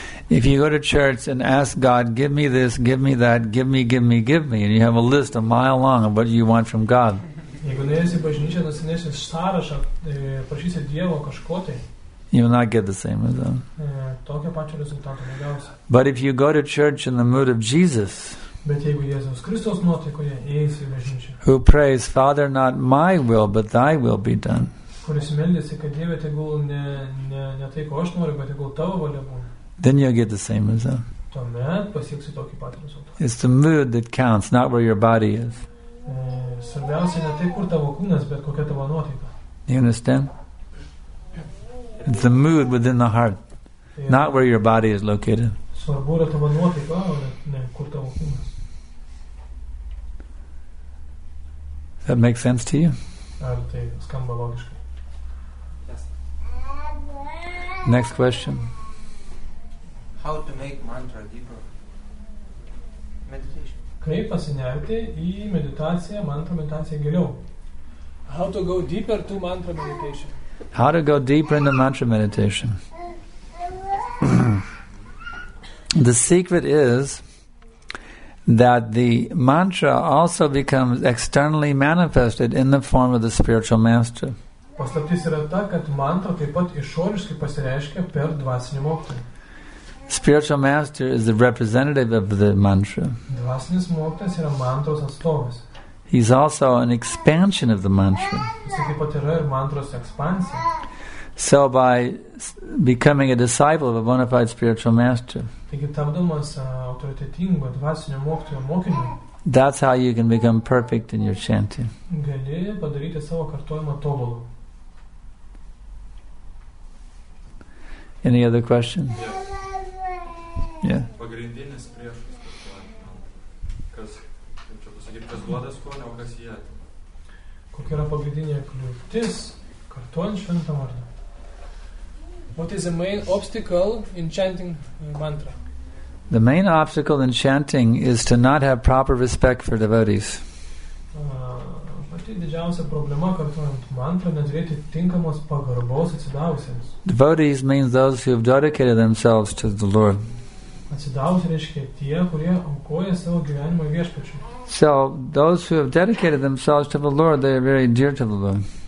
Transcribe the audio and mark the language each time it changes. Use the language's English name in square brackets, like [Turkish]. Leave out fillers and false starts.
[English] If you go to church and ask God, give me this, give me that, give me, and you have a list a mile long of what you want from God, you will not get the same result. But if you go to church in the mood of Jesus, [Lithuanian] bet jeigu Jėzus Kristus nuotikoje eis į bažnyčią, [English] who prays, Father, not my will, but thy will be done, [Lithuanian] kuris meldėsi, kad Dieve tegul ne tai, ko aš noriu, bet tegul tavo valia būna, [English] then you'll get the same result. [Lithuanian] Tuomet pasieksi tokį patį rezultatą. [English] It's the mood that counts, not where your body is. [Lithuanian] Svarbiausia ne tai, kur tavo kūnas, bet kokia tavo nuotika. [English] You understand? It's the mood within the heart, not where your body is located. [Lithuanian] Svarbu yra tavo nuotika, ne kur tavo kūnas. [English] That makes sense to you? [Lithuanian] Ar tai skamba logiškai? [English] Yes. Next question. How to make mantra deeper? Meditation. [Lithuanian] Kaip pasinerti į meditaciją, mantra meditaciją giliau? [English] How to go deeper to mantra meditation? How to go deeper into mantra meditation? The secret is that the mantra also becomes externally manifested in the form of the spiritual master. [Lithuanian] Paslaptis yra ta, kad mantra taip pat išoriškai pasireiškia per dvasinį mokytoją. [English] Spiritual master is the representative of the mantra. [Lithuanian] Dvasinis mokytojas yra mantros atstovas. [English] He's also an expansion of the mantra. [Lithuanian] Jisai taip pat yra ir mantros ekspansija. [English] So by becoming a disciple of a bona fide spiritual master, [Lithuanian] taigi, tapdamas autoritetingo dvasinio mokytojo mokiniu, [English] That's how you can become perfect in your chanting. [Lithuanian] Gali padaryti savo kartojimą tobulą. [English] Any other question? [Lithuanian] Pagrindinis priešas kartojimo. Kas čia Kokia yra pagrindinė kliūtis kartojant šventą vardą? [English] What is the main obstacle in chanting mantra? The main obstacle in chanting is to not have proper respect for devotees. [Lithuanian] Pati didžiausia problema kartojant mantra neturėti tinkamos pagarbos atsidavusiems. [English] Devotees means those who have dedicated themselves to the Lord. [Lithuanian] Atsidavus reiškia tie, kurie aukoja savo gyvenimą viešpačiui. [English] So those who have dedicated themselves to the Lord, they are very dear to the Lord.